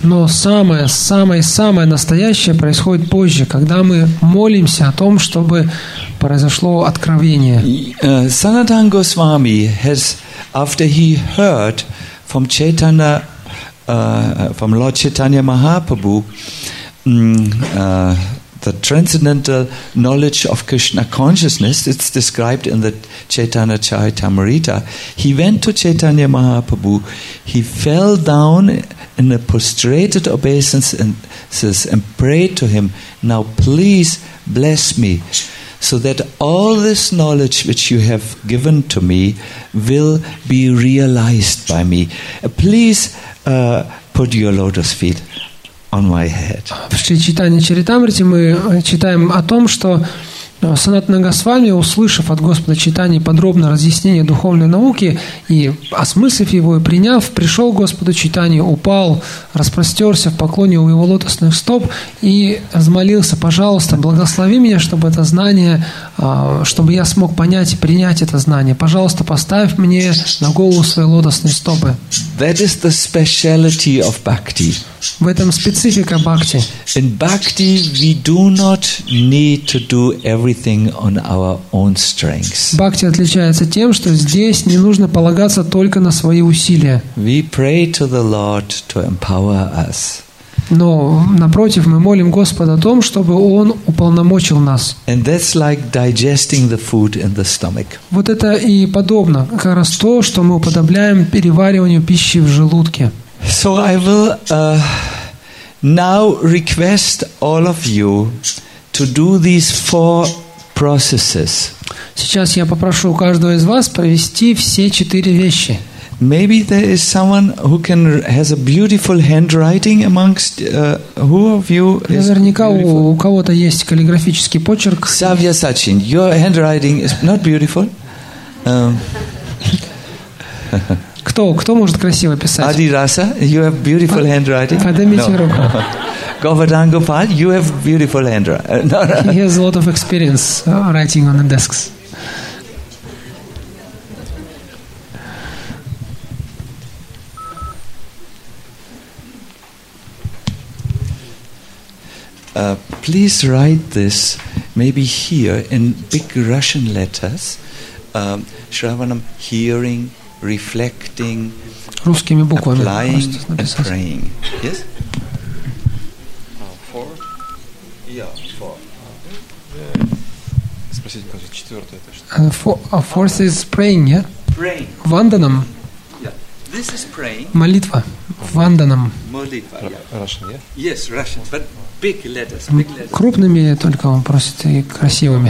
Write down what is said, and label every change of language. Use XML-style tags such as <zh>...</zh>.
<ru>Но самое настоящее происходит позже, когда мы молимся о том, чтобы произошло откровение.</ru> <en>Sanatana Goswami has, after he heard from Chaitanya, from Lord Chaitanya Mahaprabhu, the transcendental knowledge of Krishna consciousness, it's described in the Chaitanya Charitamrita. He went to Chaitanya Mahaprabhu, he fell down in a prostrated obeisance and says, and prayed to him, "Now please bless me, so that all this knowledge which you have given to me will be realized by me. Please put your lotus feet on my head."</en> <ru>В Чайтанья Чаритамрите мы читаем о том, что Санатана Госвами, услышав от Господа Чайтаньи подробное разъяснение духовной науки и осмыслив его и приняв, пришел к Господу Чайтаньи, упал, распростерся в поклоне у его лотосных стоп и взмолился: «Пожалуйста, благослови меня, чтобы это знание, чтобы я смог понять и принять это знание. Пожалуйста, поставь мне на голову свои лотосные стопы».</ru> <en>That is the speciality of bhakti.</en> <ru>В этом специфика бхакти.</ru> <en>In bhakti we do not need to do everything on our own strengths.</en> <ru>Бхакти отличается тем, что здесь не нужно полагаться только на свои усилия.</ru> <en>We pray to the Lord to empower us.</en> <ru>Но напротив, мы молим Господа о том, чтобы Он уполномочил нас.</ru> <en>And that's like digesting the food in the stomach.</en> <ru>Вот это и подобно, как раз то, что мы уподобляем перевариванию пищи в желудке.</ru> <en>So I will now request all of you to do these four processes.</en> <ru>Сейчас я попрошу каждого из вас провести все четыре вещи.</ru> <en>Maybe there is someone who can has a beautiful handwriting amongst who of you is.</en> <ru>Наверняка у кого-то есть каллиграфический почерк.</ru> <en>Savya Sachin, your handwriting is not beautiful.</en> <ru>Кто может красиво писать?</ru> <en>Адираса, you have beautiful handwriting.</en> <ru>Поднимите руку.</ru> <en>Govardhan Gopal, you have beautiful handwriting. He has a lot of experience writing on the desks. Please write this maybe here in big Russian letters. Shravanam, hearing, reflecting,</en> <ru>русскими буквами,</ru> <en>applying, and praying. Yes? Four? Yeah, four. Okay. Fourth is praying, yeah? Praying. Vandanam. Yeah. This is praying.</en> <ru>Молитва. Vandanam. Молитва,</ru> <en>yeah. Russian, yeah? Yes, Russian, but big letters, big letters.</en> <ru>Крупными только он просит и красивыми.</ru>